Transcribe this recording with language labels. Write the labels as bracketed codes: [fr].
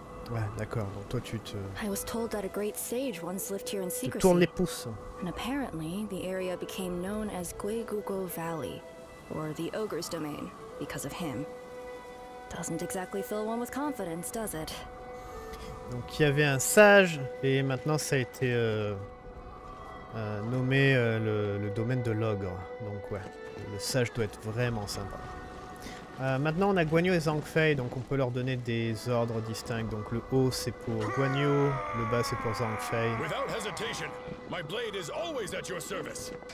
[fr] Ouais, d'accord. Donc toi, tu te. [en] I was told that a great sage once lived here in secrecy. [fr] Tu tournes les pouces. [en] And apparently, the area became known as Guiguguo Valley, or the Ogre's Domain, because of him. Doesn't exactly fill one with confidence, does it? [fr] Donc il y avait un sage, et maintenant ça a été. Nommé le domaine de l'ogre, donc ouais. Le sage doit être vraiment sympa. Maintenant, on a Guan Yu et Zhang Fei, donc on peut leur donner des ordres distincts. Donc le haut, c'est pour Guan Yu, le bas, c'est pour Zhang Fei. [en] Without hesitation, my blade is always at your service.